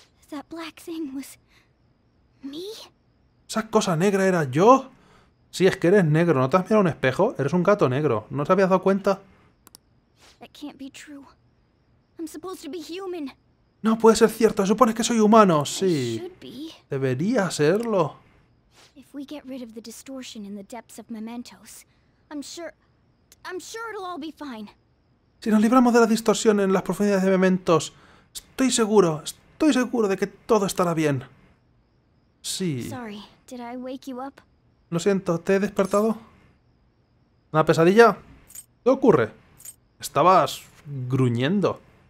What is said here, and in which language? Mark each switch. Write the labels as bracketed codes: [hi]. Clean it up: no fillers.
[en] That black thing was me? [es] ¿Esa cosa negra era yo? Sí, es que eres negro, ¿no te has mirado un espejo? Eres un gato negro, ¿no te habías dado cuenta? [en] That can't be true. I'm supposed to be human. [es] No puede ser cierto, supones que soy humano, sí. Debería serlo. [en] If we get rid of the distortion in the depths of Mementos, I'm sure it'll all be fine. [es] Si nos libramos de la distorsión en las profundidades de Mementos, estoy seguro de que todo estará bien. Sí. [en] Sorry, did I wake you up? [es] Lo siento, ¿te he despertado? ¿Una pesadilla? ¿Qué ocurre? Estabas gruñendo.